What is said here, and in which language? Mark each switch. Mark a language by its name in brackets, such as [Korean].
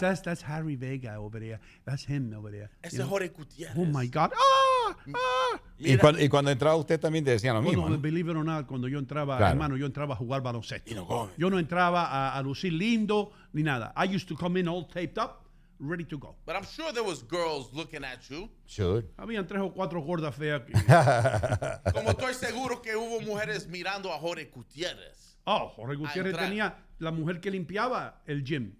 [English] Yeah, that's Harry Vega over there. That's him over there. [Spanish] Ese, [English] you know? Jorge Gutierrez. Oh, my God. Ah! [Spanish] Y cuando entraba usted también decía lo mismo. Bueno, [English] believe it or not, [Spanish] cuando yo entraba, claro. Hermano, yo entraba a jugar baloncesto. Ino Gomez. Yo no entraba a lucir lindo ni nada. [English] I used to come in all taped up, ready to go. But I'm sure there was girls looking at you. Sure. [Spanish] Habían tres o cuatro gordas feas. Como estoy seguro que hubo mujeres mirando a Jorge Gutierrez. Oh, Jorge Gutierrez tenía la mujer que limpiaba el gym.